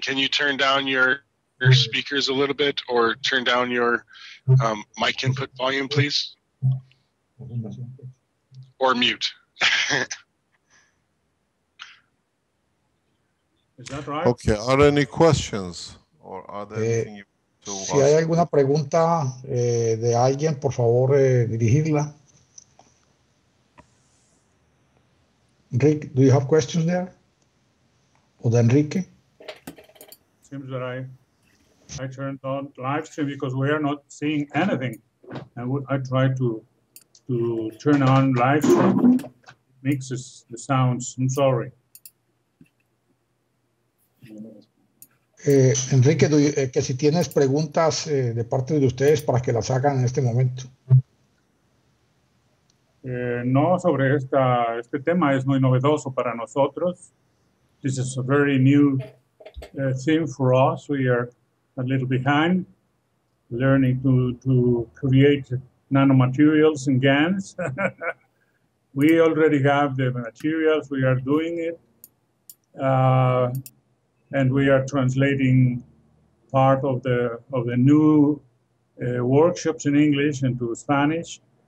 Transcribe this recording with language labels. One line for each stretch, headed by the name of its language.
English: Can you turn down your speakers a little bit, or turn down your mic input volume, please? Or mute. Is that right? Okay, are there any questions or are there anything you want to ask?
Spanish: Si hay alguna pregunta de alguien, por favor dirigirla.
English: Rick, do you have questions there?
Spanish: O de Enrique?
English: Seems that I turned on live stream because we are not seeing anything. And I try to turn on live stream, mixes the sounds, I'm sorry.
Spanish: Enrique, que si tienes preguntas de parte de ustedes para que las hagan en este momento. No, sobre este tema es muy novedoso para nosotros.
English: This is a very new thing for us. We are a little behind, learning to create nanomaterials and GANs. We already have the materials, we are doing it. And we are translating part of the new workshops in English into Spanish.